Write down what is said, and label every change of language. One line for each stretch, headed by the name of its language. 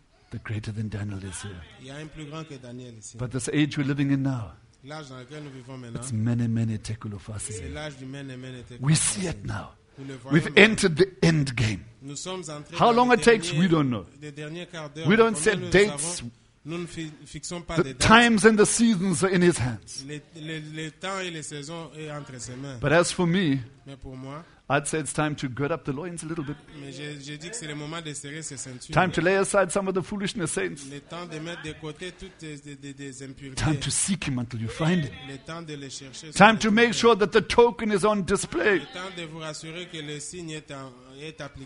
English: The greater than Daniel is here. But this age we're living in now, it's many, many tekulophasi. We see it now. We've entered the end game. How long it takes, we don't know. We don't set dates.
French: Nous ne fixons pas
English: the
French: des dates.
English: Times and the seasons are in his hands.
French: Les temps et les saisons sont entre ses mains.
English: But as for me,
French: mais pour moi,
English: I'd say it's time to gird up the loins a little bit.
French: Mais je dis que c'est le moment de serrer ses ceintures.
English: Time to lay aside some of the foolishness, saints.
French: Le temps de mettre de côté toutes des impuretés.
English: Time to seek him until you find him.
French: Le temps de le chercher.
English: Time to make sure that the token is on display.
French: Le temps de vous rassurer que le signe est appliqué.